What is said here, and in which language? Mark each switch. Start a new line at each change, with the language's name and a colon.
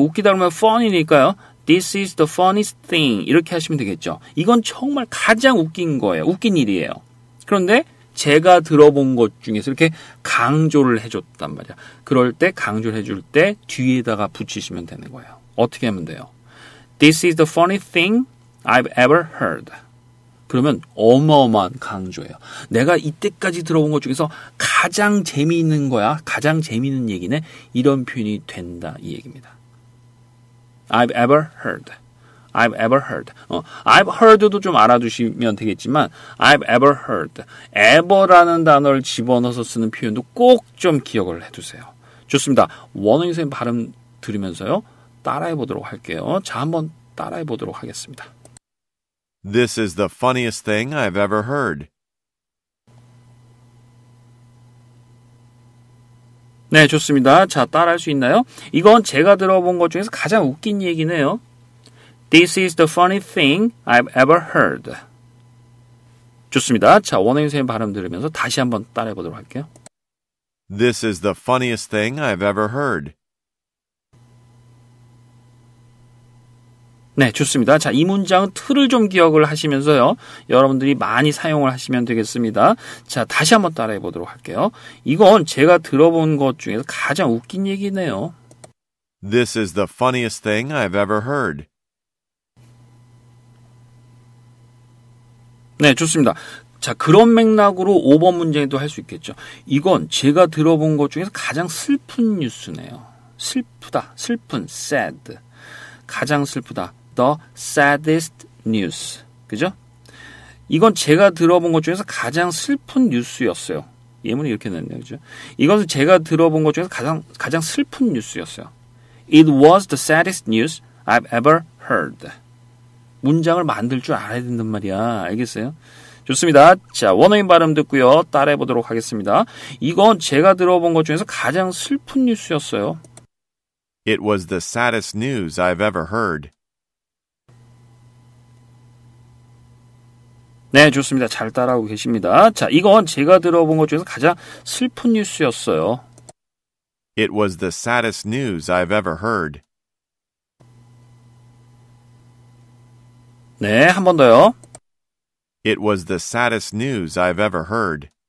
Korean: 웃기다 그러면 fun이니까요.
English: This is the funniest thing.
Korean: 이렇게 하시면 되겠죠. 이건 정말 가장 웃긴 거예요. 웃긴 일이에요. 그런데 제가 들어본 것 중에서 이렇게 강조를 해줬단 말이야. 그럴 때 강조를 해줄 때 뒤에다가 붙이시면 되는 거예요. 어떻게 하면 돼요?
English: This is the funny thing I've ever heard.
Korean: 그러면 어마어마한 강조예요. 내가 이때까지 들어본 것 중에서 가장 재미있는 거야. 가장 재미있는 얘기네. 이런 표현이 된다. 이 얘기입니다.
English: I've ever heard. I've ever heard. I've heard도
Korean: 좀 알아두시면 되겠지만
English: I've ever heard.
Korean: ever라는 단어를 집어넣어서 쓰는 표현도 꼭 좀 기억을 해두세요. 좋습니다. 원우 선생님 발음 들으면서요. 따라해보도록 할게요. 자, 한번 따라해보도록 하겠습니다.
English: This is the funniest thing I've ever heard.
Korean: 네, 좋습니다. 자, 따라할 수 있나요? 이건 제가 들어본 것 중에서 가장 웃긴 얘기네요.
English: This is the funniest thing I've ever heard.
Korean: 좋습니다. 자, 원우 선생님 발음 들으면서 다시 한번 따라해보도록 할게요.
English: This is the funniest thing I've ever heard.
Korean: 네, 좋습니다. 자, 이 문장 틀을 좀 기억을 하시면서요. 여러분들이 많이 사용을 하시면 되겠습니다. 자, 다시 한번 따라해 보도록 할게요. 이건 제가 들어본 것 중에서 가장 웃긴 얘기네요.
English: This is the funniest thing I've ever heard.
Korean: 네, 좋습니다. 자, 그런 맥락으로 5번 문장에도 할 수 있겠죠. 이건 제가 들어본 것 중에서 가장 슬픈 뉴스네요. 슬프다, 슬픈, sad. 가장 슬프다.
English: The saddest news.
Korean: 그죠? 이건 제가 들어본 것 중에서 가장 슬픈 뉴스였어요. 예문이 이렇게 됐네요. 그죠? 이건 제가 들어본 것 중에서 가장 슬픈 뉴스였어요.
English: It was the saddest news I've ever heard.
Korean: 문장을 만들 줄 알아야 된단 말이야. 알겠어요? 좋습니다. 자, 원어민 발음 듣고요. 따라해 보도록 하겠습니다. 이건 제가 들어본 것 중에서 가장 슬픈 뉴스였어요.
English: It was the saddest news I've ever heard.
Korean: 네, 좋습니다. 잘 따라하고 계십니다. 자, 이건 제가 들어본 것 중에서 가장 슬픈 뉴스였어요.
English: It was the saddest news I've ever heard.
Korean: 네, 한 번 더요.
English: It was the saddest news I've ever heard.